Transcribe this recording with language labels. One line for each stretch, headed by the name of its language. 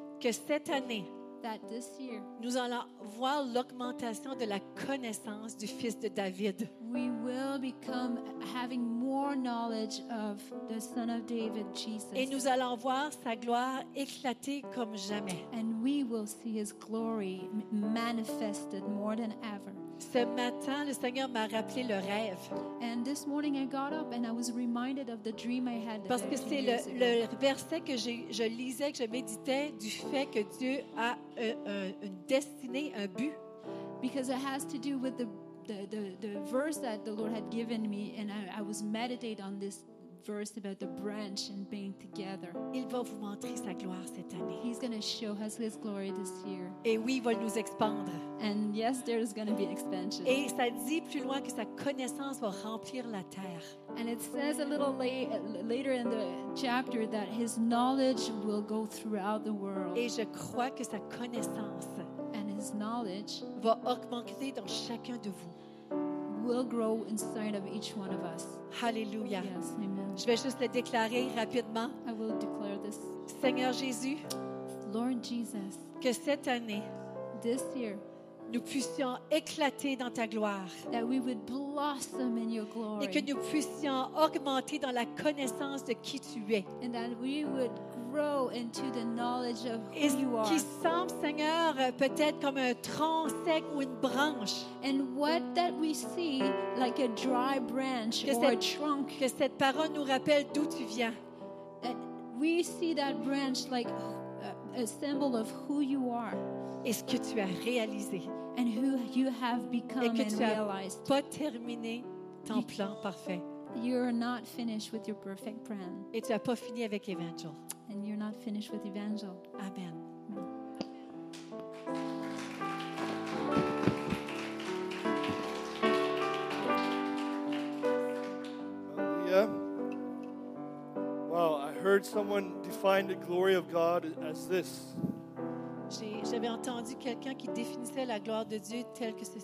French: que cette année,
English: that this year.
French: Nous allons voir l'augmentation de la connaissance du fils de David.
English: We will become having more knowledge of the son of David, Jesus.
French: Et nous allons voir sa gloire éclater comme jamais.
English: And we will see his glory manifested more than ever.
French: Ce matin, le Seigneur m'a rappelé le rêve.
English: And this morning I got up and I was reminded of the dream I had.
French: Parce que c'est le verset que je lisais, que je méditais du fait que Dieu a une destinée, un but.
English: Because it has to do with the verse that the Lord had given me, and I was meditating on this verse about the branch and being together.
French: Il va vous montrer sa gloire cette année.
English: He's going to show us his glory this year.
French: Et oui, il va nous expandre.
English: And yes, there is going to be expansion.
French: Et ça dit plus loin que sa connaissance va remplir la terre.
English: And it says a little later in the chapter that his knowledge will go throughout the world.
French: Et je crois que sa connaissance
English: and his knowledge
French: va augmenter dans chacun de vous.
English: Will grow inside of each one of us.
French: Hallelujah.
English: Yes, amen.
French: Je vais juste le déclarer rapidement.
English: I will declare this.
French: Seigneur Jésus,
English: Lord Jesus,
French: que cette année,
English: this year,
French: nous puissions éclater dans ta gloire.
English: That we would blossom in your glory.
French: Et que nous puissions augmenter dans la connaissance de qui tu es.
English: And that we would grow into the knowledge of who
French: et
English: you are.
French: Qui semble, Seigneur, peut-être comme un tronc sec ou une branche.
English: And what that we see like a dry branch
French: que
English: or
French: cette,
English: a trunk.
French: Que cette parole nous rappelle d'où tu viens.
English: And we see that branch like a symbol of who you are.
French: Et ce que tu as réalisé.
English: And who you have become
French: et que
English: and
French: tu
English: realized.
French: Pas terminé ton plan parfait.
English: You're not finished with your perfect plan.
French: Et tu n'as pas fini avec Evangel.
English: And you're not finished with Evangel. Amen. Wow, I heard someone define the glory of God as this.
French: J'avais entendu quelqu'un qui définissait la gloire de Dieu telle que ceci.